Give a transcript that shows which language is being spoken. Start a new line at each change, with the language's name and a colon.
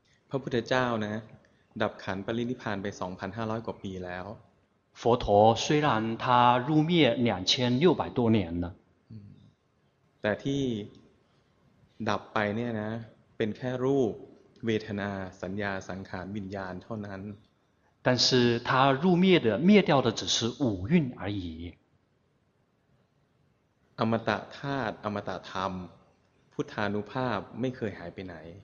Thai: พระพุทธเจ้านะ，ดับขันธ์ปรินิพพานไป 2,500 กว่าปีแล้ว。
Chinese: 佛陀虽然他入灭2600多年了。
Thai: แต่ที่ดับไปเนี่ยนะเป็นแค่รูปเวทนาสัญญาสังขารวิญญาณเท่านั้น
Chinese: 但是它入灭的灭掉的只是五蕴而已
Thai: อมตะธาตุอมตะธรรมพุทธานุภาพไม่เคยหายไปไหน